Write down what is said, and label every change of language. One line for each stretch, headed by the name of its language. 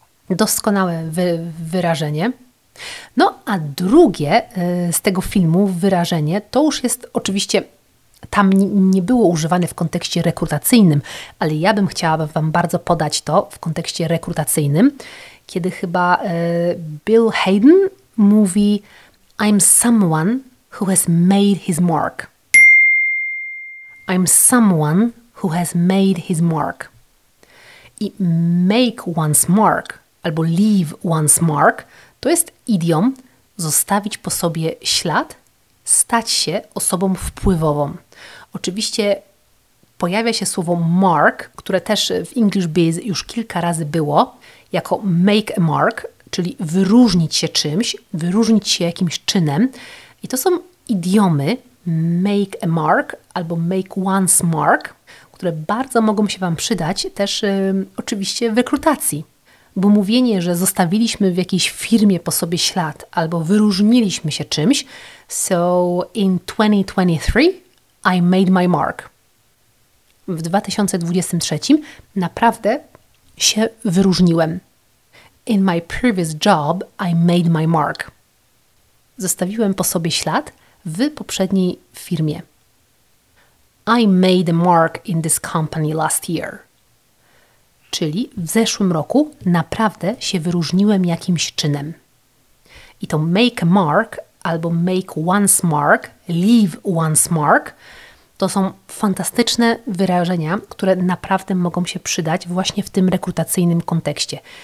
Polish: Doskonałe wyrażenie. No a drugie z tego filmu wyrażenie, to już jest oczywiście, tam nie było używane w kontekście rekrutacyjnym, ale ja bym chciała Wam bardzo podać to w kontekście rekrutacyjnym, kiedy chyba Bill Hayden mówi
English: I'm someone who has made his mark. I'm someone who has made his mark. I make one's mark
Polish: albo
English: leave one's mark
Polish: to jest idiom zostawić po sobie ślad, stać się osobą wpływową. Oczywiście pojawia się słowo mark, które też w English Biz już kilka razy było, jako
English: make a mark,
Polish: czyli wyróżnić się czymś, wyróżnić się jakimś czynem. I to są idiomy,
English: make a mark
Polish: albo
English: make one's mark,
Polish: które bardzo mogą się Wam przydać też oczywiście w rekrutacji. Bo mówienie, że zostawiliśmy w jakiejś firmie po sobie ślad albo wyróżniliśmy się czymś,
English: so in 2023 I made my mark.
Polish: W 2023 naprawdę się wyróżniłem.
English: In my previous job I made my mark.
Polish: Zostawiłem po sobie ślad w poprzedniej firmie.
English: I made a mark in this company last year.
Polish: Czyli w zeszłym roku naprawdę się wyróżniłem jakimś czynem. I to
English: make a mark
Polish: albo
English: make one's mark, leave one's mark,
Polish: to są fantastyczne wyrażenia, które naprawdę mogą się przydać właśnie w tym rekrutacyjnym kontekście.